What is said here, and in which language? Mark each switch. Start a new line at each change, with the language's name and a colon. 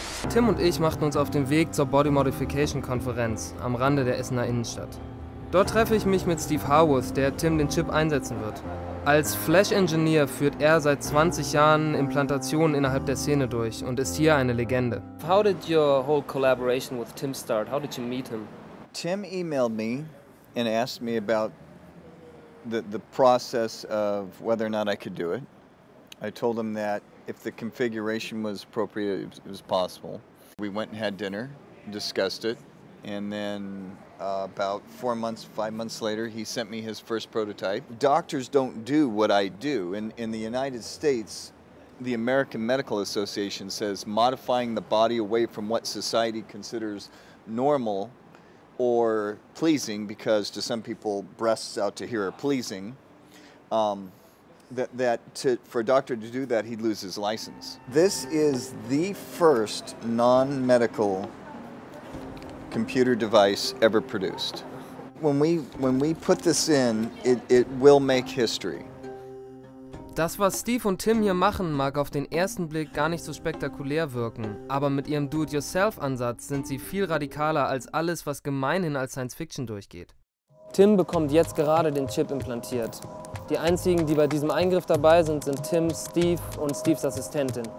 German: Tim und ich machten uns auf den Weg zur Body Modification Konferenz am Rande der Essener Innenstadt. Dort treffe ich mich mit Steve Harworth, der Tim den Chip einsetzen wird. Als Flash-Engineer führt er seit 20 Jahren Implantationen innerhalb der Szene durch und ist hier eine Legende.
English: How did your whole collaboration with Tim start? How did you meet him? Tim emailed me and asked me about the process of whether or not I could do it. I told him that if the configuration was appropriate, it was possible. We went and had dinner, discussed it, and then about 4 months, 5 months later, he sent me his first prototype. Doctors don't do what I do. In the United States, the American Medical Association says modifying the body away from what society considers normal or pleasing, because to some people, breasts out to here are pleasing, for a doctor to do that, he'd lose his license. This is the first non-medical computer device ever produced. When we put this in, it will make history.
German: Das, was Steve und Tim hier machen, mag auf den ersten Blick gar nicht so spektakulär wirken, aber mit ihrem Do-it-yourself-Ansatz sind sie viel radikaler als alles, was gemeinhin als Science-Fiction durchgeht. Tim bekommt jetzt gerade den Chip implantiert. Die einzigen, die bei diesem Eingriff dabei sind, sind Tim, Steve und Steves Assistentin.